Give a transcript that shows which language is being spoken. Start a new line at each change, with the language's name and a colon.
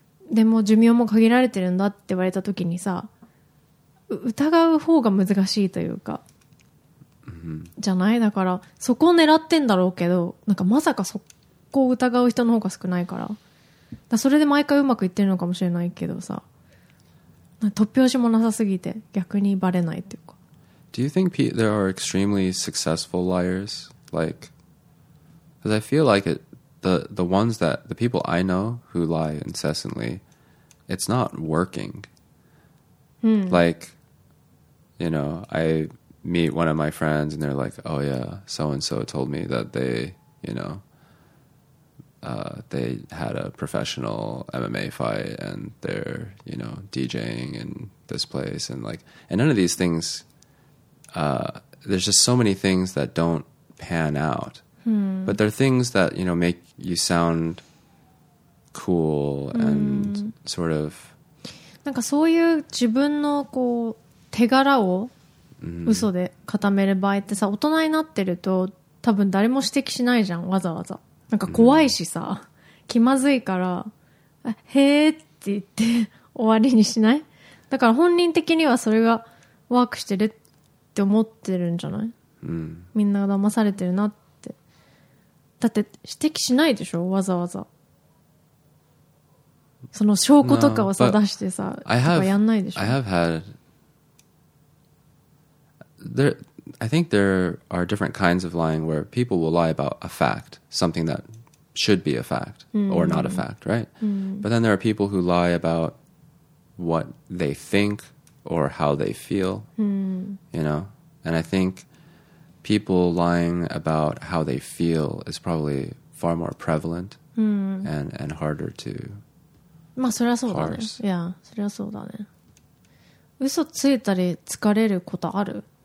Japanese: でも寿命も限られてるんだって言われた時にさ、疑う方が難しいというか、じゃない?だからそこを狙ってんだろうけど、なんかまさかそこを疑う人の方が少ないから、だからそれで毎回うまくいってるのかもしれないけどさ、突拍子もなさすぎて逆にバレないっていうか。
English: Do you think there are extremely successful liars? Like, because I feel like the ones that, the people I know who lie incessantly, it's not working. Like, you know, I meet one of my friends and they're like, oh yeah, so-and-so told me that they, you know, they had a professional MMA fight and they're, you know, DJing in this place and like, and none of these things...there's just so many things that don't pan out. But there are things that, you know, make you sound cool and sort of...
Japanese: なんかそういう自分のこう手柄を嘘で固める場合ってさ、大人になってると多分誰も指摘しないじゃん、わざわざ。なんか怖いしさ、気まずいから、へーって言って終わりにしない？だから本人的にはそれがワークしてるって思ってるんじゃない？みんなが騙されてるなって。だって指摘しないでしょ、わざわざ。その証拠とかをさ、出してさ、とかやんないでしょ。
English: I have had... I think there are different kinds of lying where people will lie about a fact, something that should be a fact or not a fact, right? But then there are people who lie about what they think or how they feel, you know? And I think people lying about how they feel is probably far more prevalent and harder to...
Japanese: まあ、それはそうだね。いや、それはそうだね。嘘ついたり疲れることある？